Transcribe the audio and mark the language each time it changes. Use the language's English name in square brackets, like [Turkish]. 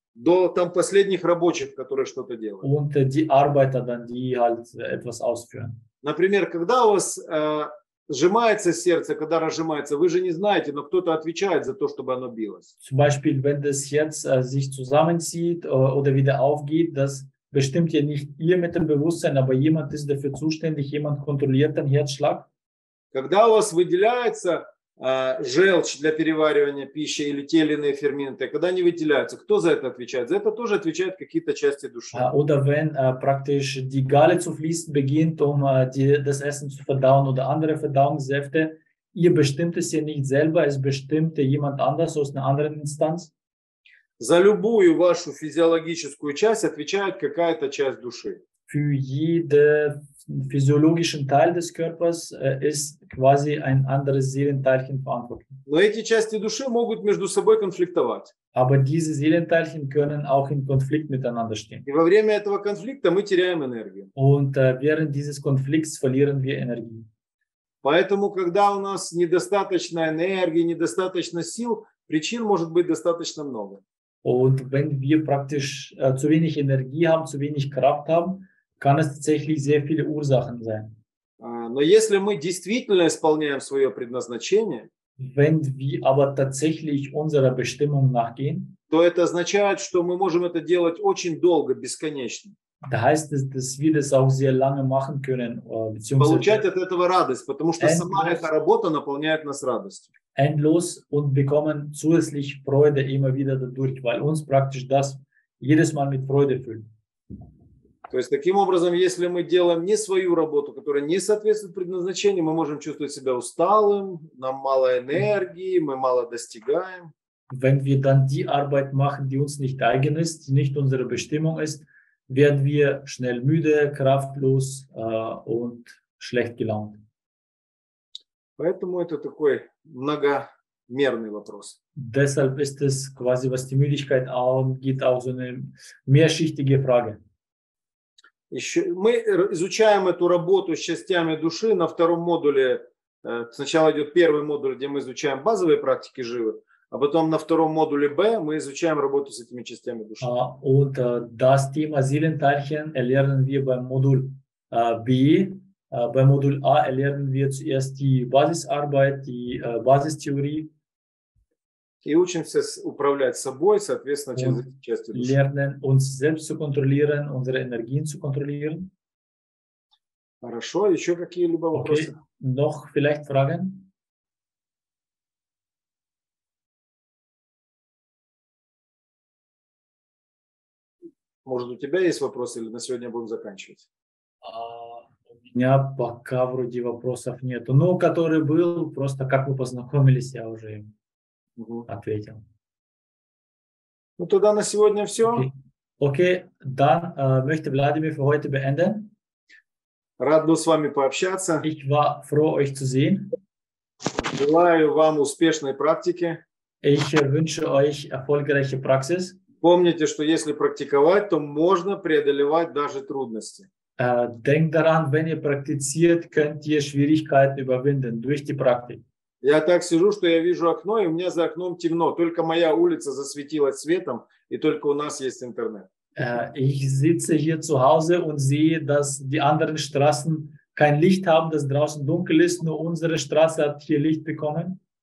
[Russian] До там последних рабочих, которые что-то делают. [German] Und die Arbeiter dann, die halt etwas ausführen. [Russian] Например, когда у вас сжимается сердце, когда разжимается, вы же не знаете, но кто-то отвечает за то, чтобы оно билось. [German] Zum Beispiel, wenn das Herz sich zusammenzieht oder wieder aufgeht, das bestimmt ja nicht ihr mit dem Bewusstsein, aber jemand ist dafür zuständig, jemand kontrolliert den Herzschlag. [Russian] Когда у вас выделяется желчь для переваривания пищи или те или иные ферменты, когда они выделяются, кто за это отвечает? За это тоже отвечают какие-то части души. [German] Oder wenn praktisch die Galle zu fließen beginnt, um das Essen zu verdauen oder andere Verdauungssäfte, ihr bestimmt es ja nicht selber, es bestimmt jemand anders aus einer anderen Instanz. [Russian] За любую вашу физиологическую часть отвечает какая-то часть души. [German] Für jeden physiologischen Teil des Körpers ist quasi ein anderes Seelenteilchen verantwortlich. [Russian] Но эти части души могут между собой конфликтовать. [German] Aber diese Seelenteilchen können auch in Konflikt miteinander stehen. [Russian] И во время этого конфликта мы теряем энергию. [German] Und während dieses Konflikts verlieren wir Energie. [Russian] Поэтому, когда у нас недостаточно энергии, недостаточно сил, причин может быть достаточно много. [German] Und wenn wir praktisch zu wenig Energie haben, zu wenig Kraft haben, kann es tatsächlich sehr viele Ursachen sein. [Russian] Но если мы действительно исполняем свое предназначение, [German] wenn wir aber tatsächlich unserer Bestimmung nachgehen, [Russian] то это означает, что мы можем это делать очень долго, бесконечно. [German] Da heißt es, dass wir das auch sehr lange machen können, beziehungsweise [Russian] получать от этого радость, потому что сама эта работа наполняет нас радостью. [German] Endlos und bekommen zusätzlich Freude immer wieder dadurch, weil uns praktisch das jedes Mal mit Freude füllt. [Russian] То есть таким образом, если мы делаем не свою работу, которая не соответствует предназначению, мы можем чувствовать себя усталым, нам мало энергии, мы мало достигаем. [German] Wenn wir dann die Arbeit machen, die uns nicht eigen ist, die nicht unsere Bestimmung ist, werden wir schnell müde, kraftlos und schlecht gelaunt. [Russian] Поэтому это такой многомерный вопрос. [German] Deshalb ist es quasi, was die Müdigkeit angeht, auch so eine mehrschichtige Frage. [Russian] Еще, мы изучаем эту работу с частями души на втором модуле. Сначала идет первый модуль, где мы изучаем базовые практики живы, а потом на втором модуле Б мы изучаем работу с этими частями души. [German] Und das Thema Seelenteilchen erlernen wir beim Modul B. Beim Modul A erlernen wir zuerst die Basisarbeit, die Basistheorie. [Russian] И учимся управлять собой, соответственно, через эти части души. [German] Lernen uns selbst zu kontrollieren, unsere Energien zu kontrollieren. [Russian] Хорошо, еще какие-либо вопросы? [German] Okay. Noch vielleicht Fragen? [Russian] Может, у тебя есть вопросы, или на сегодня будем заканчивать? У меня пока вроде вопросов нет. Ну, который был, просто как вы познакомились, я уже им ответил. Ну, тогда на сегодня все. [German] Okay. Dann möchte Vladimir für heute beenden. [Russian] Рад был с вами пообщаться. [German] Ich war froh, euch zu sehen. [Russian] Желаю вам успешной практики. [German] Ich wünsche euch erfolgreiche Praxis. [Russian] Помните, что если практиковать, то можно преодолевать даже трудности. [German] Denkt daran, wenn ihr praktiziert, könnt ihr Schwierigkeiten überwinden durch die Praktik. [Russian] Я так сижу, что я вижу окно, и у меня за окном темно. Только моя улица засветилась светом, и только у нас есть интернет. [German] Ich sitze hier zu Hause und sehe, dass die anderen Straßen kein Licht haben, dass draußen dunkel ist, nur unsere Straße hat hier Licht bekommen.